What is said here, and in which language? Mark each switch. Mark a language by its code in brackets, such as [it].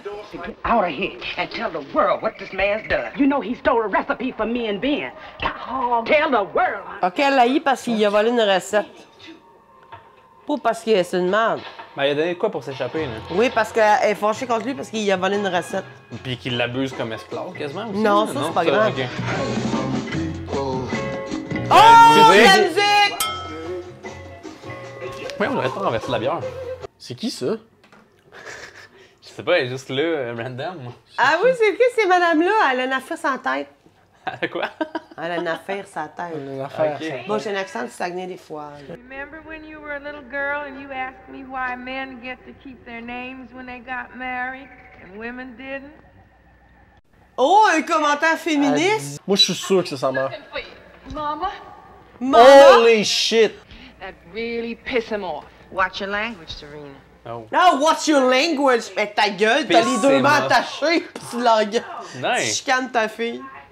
[en] Get out of here and tell the world what this man's done. You know he stole a recipe for me and Ben. Oh, tell the world. [fr] Ok, elle l'a eu parce qu'il a volé une recette. Pas parce que c'est une merde. Mais il a donné quoi pour s'échapper, là? Oui, parce qu'elle est fâchée contre lui parce qu'il a volé une recette. Puis qu'il l'abuse comme esclave, quasiment. Non, aussi, ça, non? C'est pas grave. Okay. Oh, la musique! Oui, on aurait pas renversé la bière. C'est qui, ça? Je sais pas, elle est juste là, random. Ah oui, c'est qui, ces madames-là? Elle a une affaire sans tête. Elle a quoi? Elle a une affaire sans tête. Elle a une affaire. Okay. Bon, j'ai un accent du Saguenay des fois. [en] Remember when you were a little girl and you asked me why men get to keep their names when they got married and women didn't? [fr] Oh, un commentaire féministe? Moi, je suis sûr que c'est sa mère. [en] Mama? Holy shit! That really piss him off. Watch your language, Serena. No, oh, what's your language? [fr] Mais ta gueule, t'as les deux mains attachées, pis tu langues. [en] Nice. [fr] Tu chicanes ta fille.